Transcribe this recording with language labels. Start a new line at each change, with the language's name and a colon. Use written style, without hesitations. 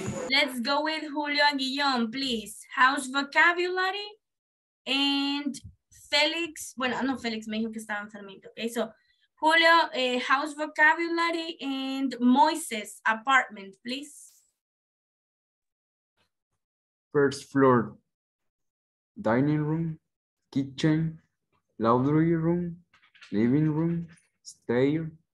English: Let's go with Julio Aguillon, please. House vocabulary and
Spanish: Félix, bueno, no, Félix me dijo que estaba enfermito.
English: Okay, so Julio, house vocabulary, and Moises, apartment, please. First floor, dining room, kitchen, laundry room, living room, stair.